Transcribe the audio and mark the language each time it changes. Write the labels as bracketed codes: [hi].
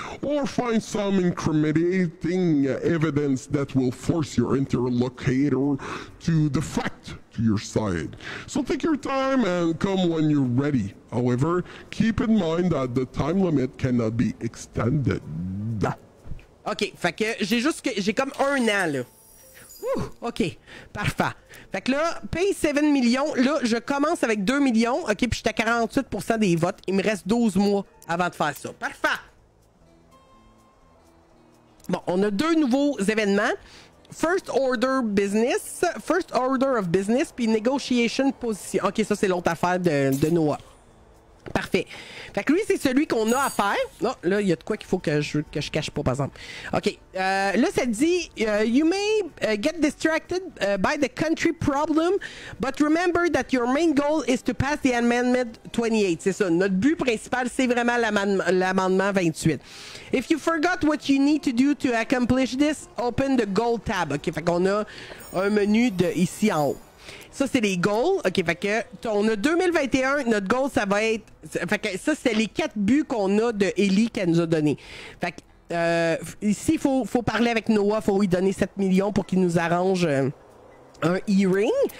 [en] Or find some incriminating evidence that will force your interlocutor to defect to your side. So take your time and come when you're ready. However, keep in mind that the time limit cannot be extended. [fr] OK, fait que j'ai comme un an là. Ouh, OK, parfait. Fait que là, paye 7 millions. Là, je commence avec 2 millions. OK, puis j'étais à 48% des votes. Il me reste 12 mois avant de faire ça. Parfait! Bon, on a deux nouveaux événements. [en] First order business. First order of business, [fr] puis [en] negotiation position. [fr] OK, ça, c'est l'autre affaire de Noah. Parfait. Fait que lui, c'est celui qu'on a à faire. Non, là, il y a de quoi qu'il faut que je cache pas, par exemple. OK. Là, ça dit, [en] you may get distracted by the country problem, but remember that your main goal is to pass the amendment 28. [fr] C'est ça. Notre but principal, c'est vraiment l'amendement 28. [en] If you forgot what you need to do to accomplish this, open the goal tab. [fr] OK, fait qu'on a un menu de ici en haut. Ça, c'est les goals. OK, fait que, on a 2021. Notre goal, ça va être... Fait que ça, c'est les quatre buts qu'on a de Ellie qu'elle nous a donné. Fait que, ici, faut parler avec Noah. Faut lui donner 7 millions pour qu'il nous arrange un e-ring.